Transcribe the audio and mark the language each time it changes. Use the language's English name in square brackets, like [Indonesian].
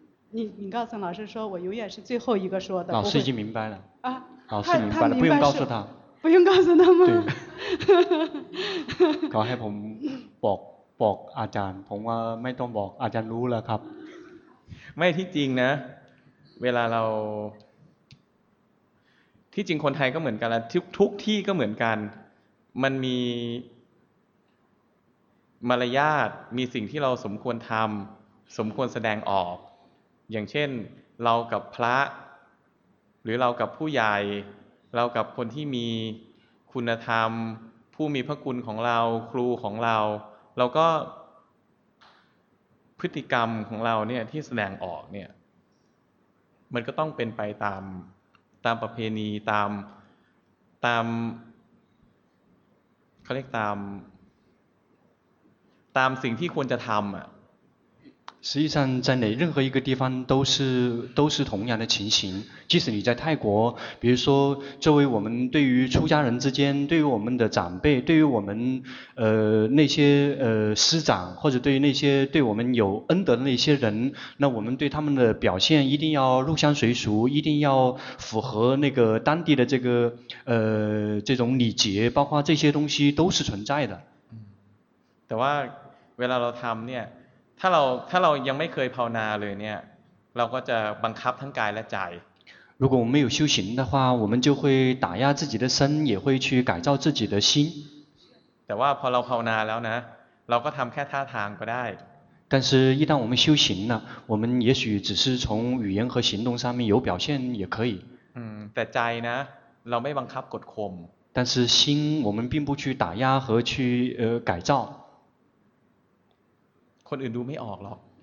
[Chinese] 你告诉老师说我永远是最后一个说的老师已经明白了老师明白了不用告诉他不用告诉他吗对搞害朋友 [Thai] บอกอาจารย์ผมว่าไม่ต้องบอกอาจารย์รู้แล้วครับ ไม่ที่จริงนะเวลาเราที่จริงคนไทยก็เหมือนกันแล้วทุกที่ก็เหมือนกันมันมีมารยาทมีสิ่งที่เราสมควรทำสมควรแสดงออกอย่างเช่นเรากับพระหรือเรากับผู้ใหญ่เรากับคนที่มีคุณธรรมผู้มีพระคุณของเราครูของเราเราก็ พฤติกรรมของเราเนี่ยที่แสดงออกเนี่ยมันก็ต้องเป็นไปตามประเพณีตามเขาเรียกตามสิ่งที่ควรจะทำอ่ะ [Chinese] 实际上在哪任何一个地方都是同样的情形即使你在泰国比如说作为我们对于出家人之间对于我们的长辈对于我们那些师长或者对于那些对我们有恩德的那些人那我们对他们的表现一定要入乡随俗一定要符合那个当地的这个这种礼节包括这些东西都是存在的 [Thai] แต่ว่าเวลาเราทำเนี่ยถ้าเรายังไม่เคยภาวนาเลยเนี่ยเราก็จะบังคับทั้งกายและใจ [Chinese] 如果我们没有修行的话我们就会打压自己的身也会去改造自己的心 [Thai] แต่ว่าพอเราภาวนาแล้วนะเราก็ทำแค่ท่าทางก็ได้ [Chinese] 但是一旦我们修行了我们也许只是从语言和行动上面有表现也可以 [Thai] แต่ใจนะเราไม่บังคับกดข่ม [Chinese] 但是心我们并不去打压和去改造 [Thai] คนอื่นดูไม่ออกหรอก